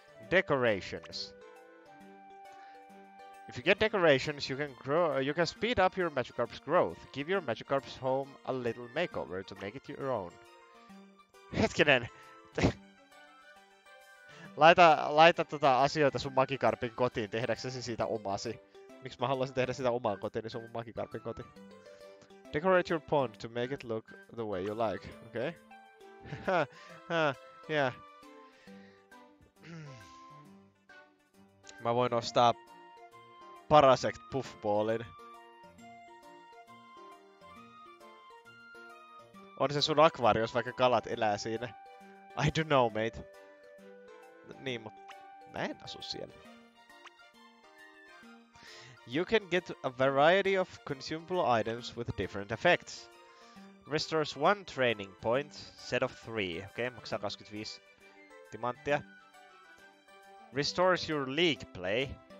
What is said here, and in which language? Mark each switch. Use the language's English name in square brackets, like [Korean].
[English] Decorations. If you get decorations, you can grow. You can speed up your Magikarp's growth. Give your Magikarp's home a little makeover to make it your own. [Finnish] Hetkinen! laita asioita sun Magikarpin kotiin tehdäksesi siitä omasi. Miksi mä haluaisin tehdä sitä omaan kotiin, sun Magikarpin koti? [English] Decorate your pond to make it look the way you like, okay? yeah. [Finnish] Mä voin ostaa... Parasect Puffballin. On se sun akvaarios, vaikka kalat elää siinä. [English] I don't know, mate. [Finnish] Niin, mut mä en asu siellä. [English] You can get a variety of consumable items with different effects. Restores one training point, set of three. [Finnish] Okei, maksaa 25 timanttia. [English] Restores your league play.